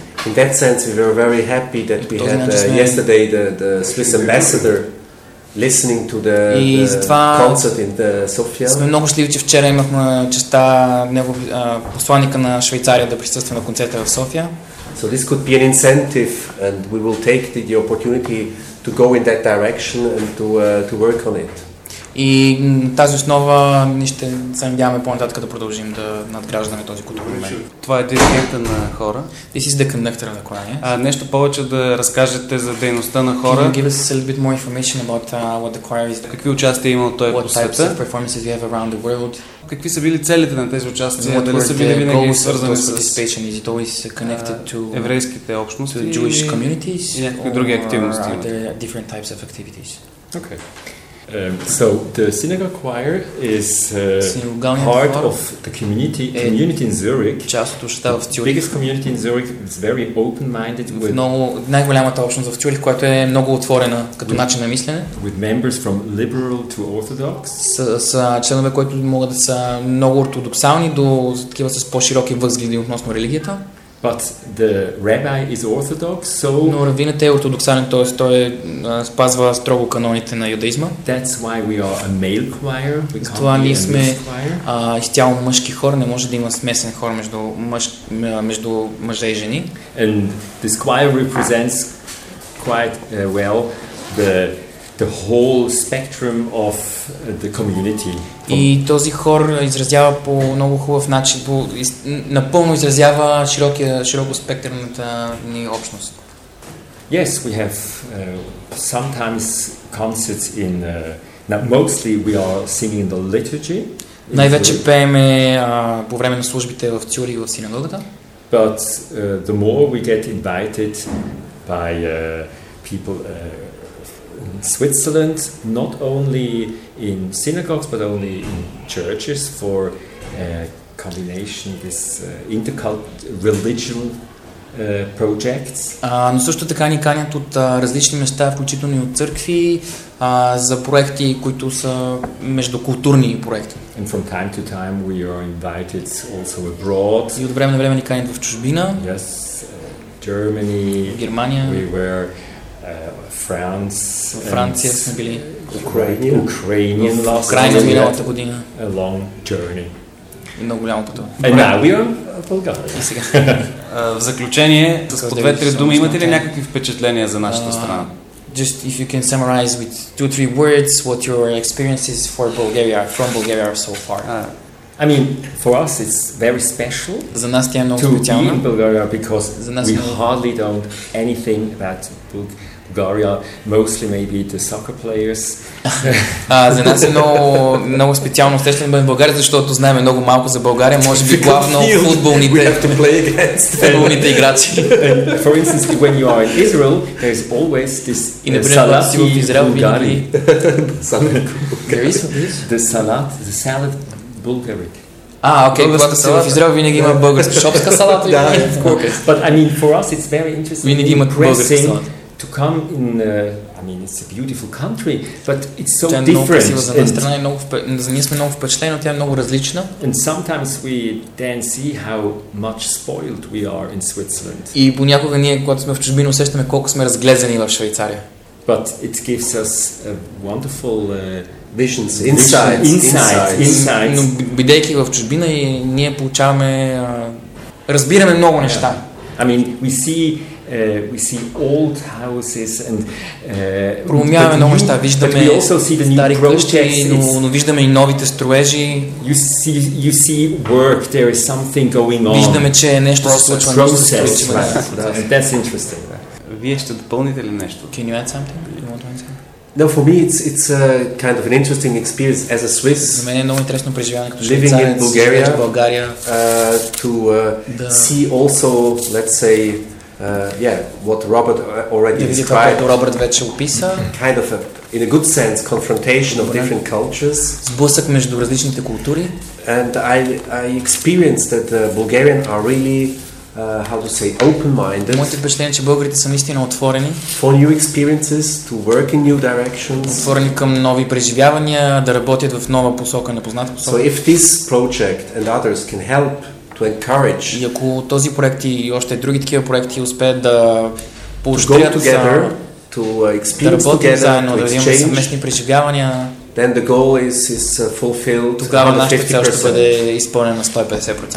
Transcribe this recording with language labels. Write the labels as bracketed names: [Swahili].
[English] In that sense, we were very happy that we had yesterday the Swiss ambassador listening to the concert in the Sofia. [Bulgarian] Сме много щастливи, че вчера имахме честа посланика на Швейцария да присъства на концерта в София. [English] So this could be an incentive and we will take the opportunity to go in that direction and to work on it. [Bulgarian] И на тази основа ние ще се надяваме по-нататък да продължим да надграждаме този културен момент. Това е дирекцията на хора. [English] This is the conductor of the choir. Yes? [Bulgarian] Нещо повече да разкажете за дейността на хора. [English] Can you give us a little bit more information about what the choir is? [Bulgarian] Какви участия имал той [English] what [Bulgarian] по света? [English] What types of performances you have around the world? [Bulgarian] Какви са били целите на тези участия? Дали са били винаги свързани с [English] participation? Is it always connected to [Bulgarian] еврейските общности? [English] To Jewish communities? [Bulgarian] И някакви други активности? [English] Or are there different types of activities? Okay. So the synagogue choir is part of the community in Zurich. The biggest community in Zurich is very open-minded with [Bulgarian] най-голямата общност в Цюрих, която е много отворена като начин на мислене. [English] With members from liberal to orthodox. [Bulgarian] С членове, които могат да са много ортодоксални до такива с по-широки възгледи относно религията. [English] But the rabbi is orthodox, so. [Bulgarian] Но равинът е ортодоксален, т.е. той спазва строго каноните на юдаизма. [English] That's why we are a male choir. [Bulgarian] Затова ние сме изцяло мъжки хор, не може да има смесен хор между между мъже и жени. [English] And this choir represents quite well the whole spectrum of the community. [Bulgarian] И този хор изразява по много хубав начин, напълно изразява широко спектърната ни общност. [English] Yes, we have sometimes concerts in mostly we are singing in the liturgy. [Bulgarian] Най-вече пееме по време на службите в Цюрих в синагогата. [English] But the more we get invited by people in Switzerland, not only in synagogues but only in churches, for combination this intercultural religion projects. [Bulgarian] Но също така ни канят от различни места, включително и от църкви, за проекти, които са междукултурни проекти. [English] And from time to time we are invited also abroad. [Bulgarian] И от време на време ни канят в чужбина. [English] Yes, Germany, [Bulgarian] Германия. [English] We were France. [Bulgarian] В Франция сме били. [English] Ukrainian last year. [Bulgarian] Крайна миналата година. [English] A long journey. [Bulgarian] Много голямо пътува. [English] And now we are in Bulgaria. [Bulgarian] Сега. В заключение, с по две-три думи, имате ли някакви впечатления за нашата страна? [English] Just if you can summarize with two three words what your experiences for Bulgaria from Bulgaria so far. I mean, for us it's very special. [Bulgarian] За нас тя е много специална. [English] To be in Bulgaria because we hardly don't anything about Bulgaria, mostly maybe the soccer players. [Bulgarian] За нас е много специално срещане в България, защото знаем много малко за България, може би главно футболните играчи. [English] For instance, when you are in Israel, there is always this Salati Bulgari. There is the salad, the salad Bulgaric. [Bulgarian] Okay, когато се в Израел винаги има българска шопска салата. [English] Да, of course. But I mean, for us it's very interesting. [Bulgarian] Винаги има българска салата. [English] To come in, I mean, it's a beautiful country, but it's so different. And sometimes we then see how much spoiled we are in Switzerland. [Bulgarian] И понякога ние, когато сме в чужбина, усещаме колко сме разглезени в Швейцария. [English] But it gives us a wonderful visions, insights. [Bulgarian] Но бидейки в чужбина, и ние получаваме, разбираме много неща. [English] I mean, we see old houses and [Bulgarian] проумяваме много неща, виждаме стари къщи, но виждаме и новите строежи. [English] You see work, there is something going on. [Bulgarian] Виждаме, че нещо се случва, [English] That's interesting. [Bulgarian] Вие ще допълните ли нещо? [English] Can you add something? You want to add something? No, for me it's a kind of an interesting experience as a Swiss. [Bulgarian] За мен е много интересно преживяване като швейцарец. [English] Living in Bulgaria, to see also, let's say, what Robert already described. [Bulgarian] Това, Робърт вече описа. [English] Kind of a, in a good sense, confrontation of different cultures. [Bulgarian] Сблъсък между различните култури. [English] And I experienced that the Bulgarian are really open-minded. [Bulgarian] Моите впечатления, че българите са наистина отворени. [English] For new experiences, to work in new directions. [Bulgarian] Отворени към нови преживявания, да работят в нова посока, непозната посока. [English] So if this project and others can help to encourage. [Bulgarian] И ако този проект и още други такива проекти успеят да поощрят [English] to go together, to experience [Bulgarian] да работим [English] together, [Bulgarian] заедно, [English] to exchange, [Bulgarian] да имаме съвместни преживявания. [English] Then the goal is fulfilled. [Bulgarian] Тогава нашата цел ще бъде изпълнена на 150%.